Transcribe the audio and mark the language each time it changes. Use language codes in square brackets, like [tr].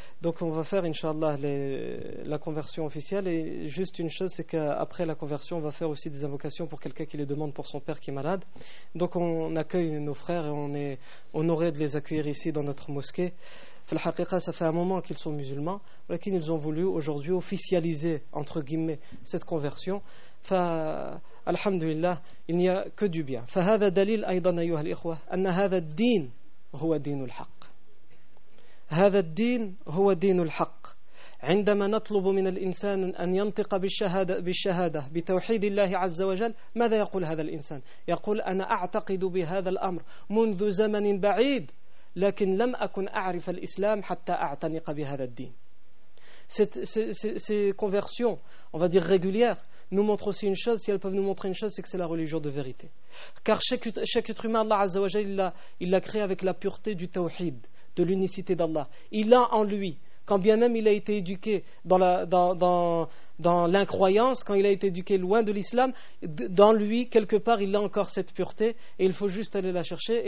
[fr] Donc on va faire inchallah la conversion officielle et juste une chose c'est qu'après la conversion on va faire aussi des invocations pour quelqu'un qui les demande pour son père qui est malade. Donc on accueille nos frères et on est honoré de les accueillir ici dans notre mosquée. Ça fait un moment qu'ils sont musulmans, mais ils ont voulu aujourd'hui officialiser, entre guillemets, cette conversion. Alhamdulillah, il n'y a que du bien. [ar] فهذا دليل أيضا أيها الإخوة أن هذا الدين هو دين الحق. هذا الدين هو دين الحق. عندما نطلب من الإنسان أن ينطق بالشهادة بتوحيد الله عز وجل ماذا يقول هذا الإنسان؟ يقول أنا أعتقد بهذا الأمر منذ زمن بعيد لكن لم أكن أعرف الإسلام حتى أعتنق بهذا الدين. [fr] Ces conversions, on va dire régulières, nous montrent aussi une chose. Si elles peuvent nous montrer une chose, c'est que c'est la religion de vérité. Car chaque être humain, Allah [ar] Azza wa Jalla, [fr] il l'a créé avec la pureté du tawhid, de l'unicité d'Allah. Il a en lui, quand bien même il a été éduqué dans l'incroyance, quand il a été éduqué loin de l'islam, dans lui, quelque part, il a encore cette pureté, et il faut juste aller la chercher.